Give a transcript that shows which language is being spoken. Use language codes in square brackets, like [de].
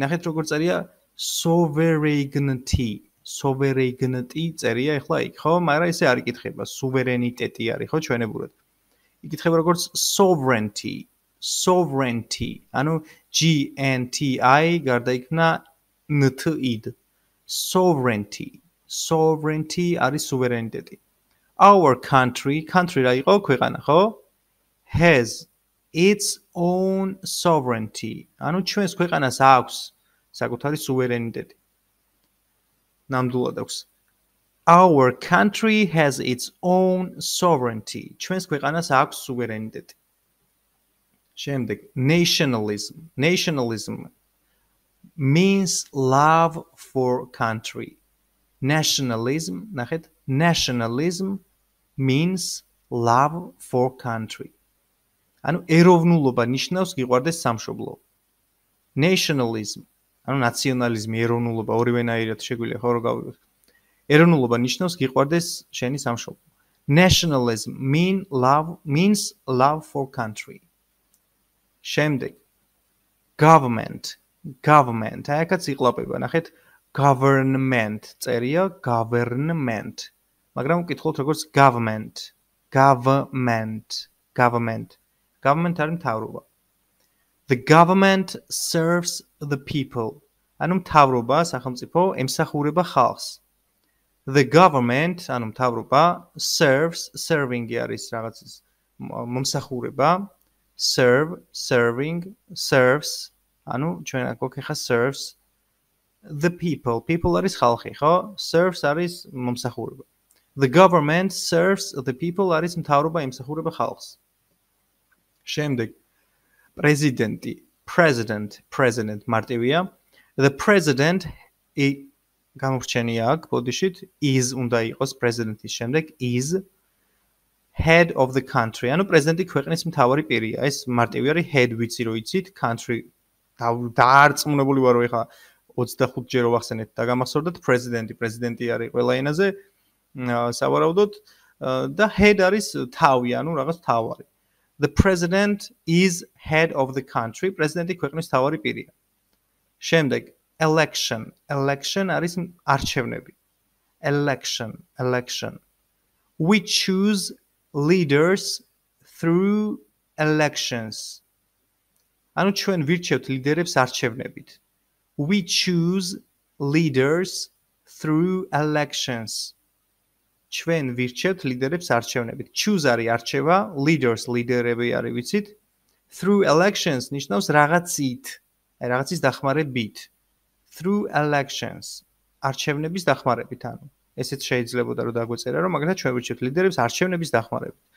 [ka] ნახეთ როგორ წერია sovereignty. Sovereignty წერია ახლა იქ, ხო? მაგრამ ესე არ იკითხება. Suverenitety არის, ხო, ჩვენებურად. იკითხება როგორც sovereignty. Sovereignty. ანუ GNTI გარდაიქმნა NTID. [en] Sovereignty. Sovereignty არის suverenitety. Our country, [ka] country რა იყო, ქვეყანა, ხო? [en] Has its own sovereignty. [ka] ანუ ჩვენს ქვეყანას აქვს საკუთარი suverenitety. ნამდვილად აქვს. [en] Our country has its own sovereignty. [ka] ჩვენს ქვეყანას აქვს suverenitety. შემდეგ, nationalism. [en] Nationalism means love for country. Nationalism, ნახეთ, nationalism means love for country. [ka] ანუ ეროვნულობა ნიშნავს გიყვარდეს სამშობლო. Nationalism, ანუ ნაციონალიზმი, ეროვნულობა, ორივენაირად შეგვიძლია ხო რომ გავიგოთ. ეროვნულობა ნიშნავს გიყვარდეს შენი სამშობლო. [en] Nationalism means love for country. [ka] შემდეგ, government. Government, აიქაც იყლაპება, ნახეთ, government წერია government. მაგრამ ვკითხოთ როგორც government. Government. Government. Government არის მთავრობა. [en] The government serves the people. [ka] ანუ მთავრობა, სახელმწიფო ემსახურება ხალხს. The government, ანუ მთავრობა serves, serving არის რაღაცის მომსახურება. Serve, serving, serves. ანუ ჩვენ აქ გვქეხა [en] serves the people. [ka] People არის ხალხი, ხო? Serves არის მომსახურება. [en] The government serves the people, [ka] არის მთავრობა ემსახურება ხალხს. შემდეგ, პრეზიდენტი, president, president მარტივია. The president გამოგრჩენია აქ ბოდიშით, is უნდა იყოს პრეზიდენტის შემდეგ, [en] is head of the country. [ka] ანუ პრეზიდენტი ქვეყნის მთავარი პირია. ეს მარტივი არის head, ვიცი რომ იცით, country დაარწმუნებული ვარო ეხა 25 ჯერ ვახსენეთ და გამახსოვრდეთ, პრეზიდენტი, პრეზიდენტი არის ყველა ენაზე. სავარაუდოდ და head არის თავი, ანუ რაღაც თავი. [en] The president is head of the country. [ka] პრეზიდენტი ქვეყნის მთავარი პირია. შემდეგ, election. Election არის არჩევნები. [en] Election, election. We choose leaders through elections. [ka] ანუ ჩვენ ვირჩევთ ლიდერებს არჩევნებით. [en] We choose leaders through elections. [ka] ჩვენ ვირჩევთ ლიდერებს არჩევნებით. Choose არის არჩევა, leaders ლიდერები არის, ვიცით? Through elections ნიშნავს რაღაცით, აი რაღაცის დახმარებით. Through elections, არჩევნების დახმარებით, ანუ ესეც შეიძლებოდა რომ დაგვეწერა, რომ მაგალითად ჩვენ ვირჩევთ ლიდერებს არჩევნების დახმარებით.